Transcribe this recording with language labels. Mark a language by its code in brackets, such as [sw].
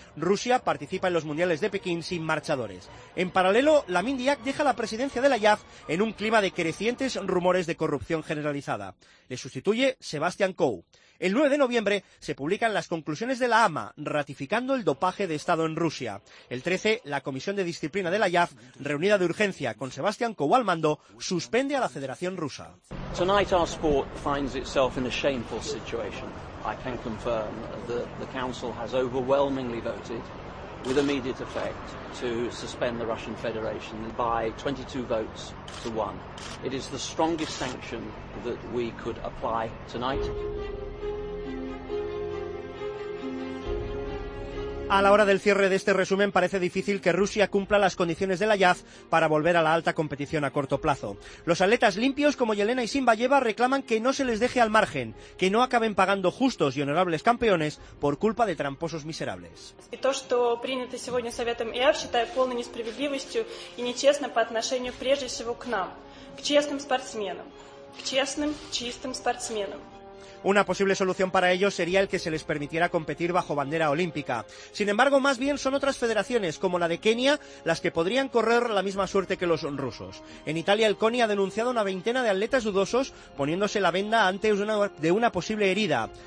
[es] Rusia participa en los mundiales de Pekín sin marchadores. En paralelo, Lamine Diak deja la presidencia de la IAAF en un clima de crecientes rumores de corrupción generalizada. Le sustituye Sebastian Coe. El 9 de noviembre se publican las conclusiones de la AMA, ratificando el dopaje de Estado en Rusia. El 13, la Comisión de Disciplina de la IAAF, reunida de urgencia con Sebastián Coe al mando, suspende a la Federación Rusa. [en] Tonight our sport finds itself in a shameful situation. I can confirm that the Council has overwhelmingly voted with immediate effect to suspend the Russian Federation by 22 votes to 1. It is the strongest sanction that we could apply tonight. [es] A la hora del cierre de este resumen parece difícil que Rusia cumpla las condiciones de la IAAF para volver a la alta competición a corto plazo. Los atletas limpios como Yelena y Simbayeva reclaman que no se les deje al margen, que no acaben pagando justos y honorables campeones por culpa de tramposos miserables. [ru] Y то, что принято сегодня советом IAAF, считаю полной несправедливостью и нечестно по отношению прежде всего к нам, к честным спортсменам, к честным, чистым спортсменам. [es] Una posible solución para ellos sería el que se les permitiera competir bajo bandera olímpica. Sin embargo, más bien son otras federaciones, como la de Kenia, las que podrían correr la misma suerte que los rusos. En Italia, el CONI ha denunciado una veintena de atletas dudosos poniéndose la venda antes de una posible herida.